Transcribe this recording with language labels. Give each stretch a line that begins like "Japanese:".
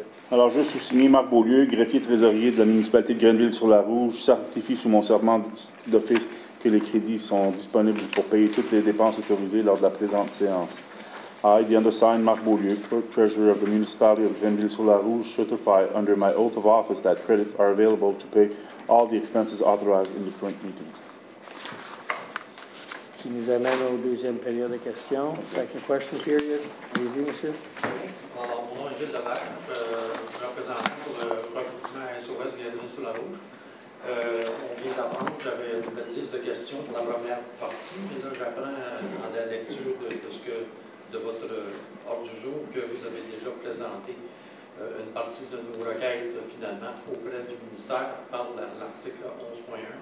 French: Alors, juste sous signé Marc Beaulieu, greffier trésorier de la municipalité de Grenville-sur-la-Rouge, certifie sous mon serment d'office que les crédits sont disponibles pour payer toutes les dépenses autorisées lors de la présente séance.
English: I, the undersigned Marc Beaulieu, clerk treasurer of the municipality of Grenville-sur-la-Rouge, certify under my oath of office that credits are available to pay all the expenses authorized in the current meeting.
French: Qui nous amène au deuxième période de questions.
English: Second question period.
French: Allez-y, monsieur. Alors, mon nom est Gilles Lebert, représentant pour le recrutement SOS Grenville-sur-la-Rouge. On vient d'apprendre, j'avais une belle liste de questions pour la première partie, mais là, j'apprends en la lecture de votre ordre du jour que vous avez déjà présenté une partie de nos requêtes, finalement, auprès du ministère par l'article 11.1.